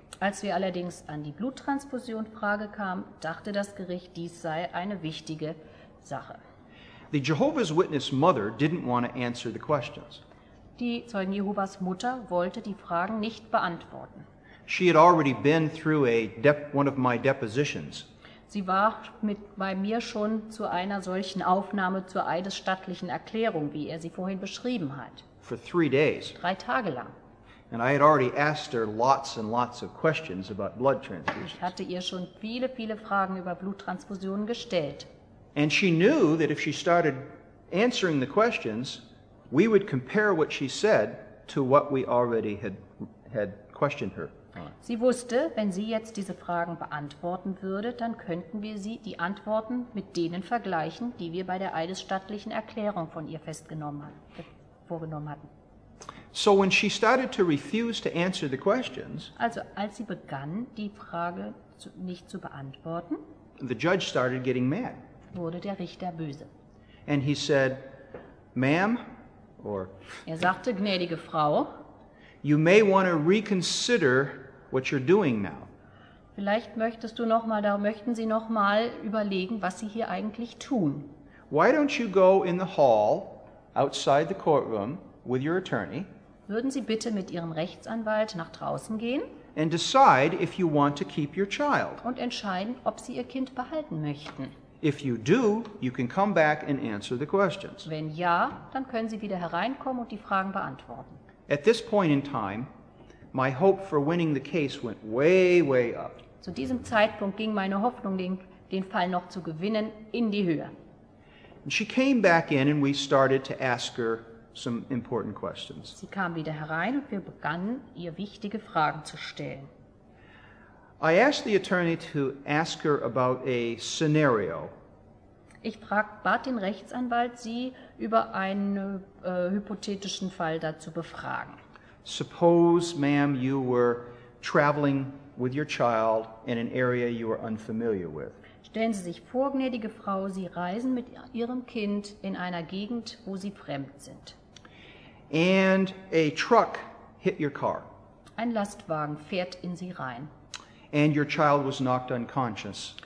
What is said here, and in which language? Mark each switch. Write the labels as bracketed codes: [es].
[de] Als wir allerdings an die Bluttransfusion-Frage kamen, dachte das Gericht, dies sei eine wichtige Sache. [en] The Jehovah's Witness mother didn't want to answer the questions. [de] Die Zeugen Jehovas Mutter wollte die Fragen nicht beantworten. [en] She had already been through one of my depositions. [de] Sie war bei mir schon zu einer solchen Aufnahme zur eidesstattlichen Erklärung, wie er sie vorhin beschrieben hat. [en] For 3 days. [de] 3 Tage lang. [en] And I had already asked her lots and lots of questions about blood transfusions. [de] Ich hatte ihr schon viele, viele Fragen über Bluttransfusionen gestellt. [en] And she knew that if she started answering the questions, we would compare what she said to what we already had questioned her. [de] Sie wusste, wenn sie jetzt diese Fragen beantworten würde, dann könnten wir sie, die Antworten, mit denen vergleichen, die wir bei der eidesstattlichen Erklärung von ihr vorgenommen hatten. [en] So when she started to refuse to answer the questions, [de] also als sie begann, die Frage nicht zu beantworten, [en] the judge started getting mad. [de] Wurde der Richter böse. [en] And he said, ma'am, or... [de] Er sagte, gnädige Frau, [en] you may want to reconsider what you're doing now. [de] Vielleicht möchtest du noch mal, da möchten Sie noch mal überlegen, was Sie hier eigentlich tun. [en] Why don't you go in the hall outside the courtroom with your attorney? [de] Würden Sie bitte mit Ihrem Rechtsanwalt nach draußen gehen? [en] And decide if you want to keep your child. [de] Und entscheiden, ob Sie Ihr Kind behalten möchten. [en] If you do, you can come back and answer the questions. [de] Wenn ja, dann können Sie wieder hereinkommen und die Fragen beantworten. [en] At this point in time, my hope for winning the case went way, way up. [de] Zu diesem Zeitpunkt ging meine Hoffnung, den Fall noch zu gewinnen, in die Höhe. [en] And she came back in and we started to ask her some important questions. [de] Sie kam wieder herein und wir begannen, ihr wichtige Fragen zu stellen. [en] I asked the attorney to ask her about a scenario. [de] Ich bat den Rechtsanwalt, sie über einen hypothetischen Fall dazu befragen. [en] Suppose, ma'am, you were traveling with your child in an area you were unfamiliar with. [de] Stellen Sie sich vor, gnädige Frau, Sie reisen mit Ihrem Kind in einer Gegend, wo Sie fremd sind. [en] And a truck hit your car. [de] Ein Lastwagen fährt in Sie rein. [en] And your child was knocked unconscious.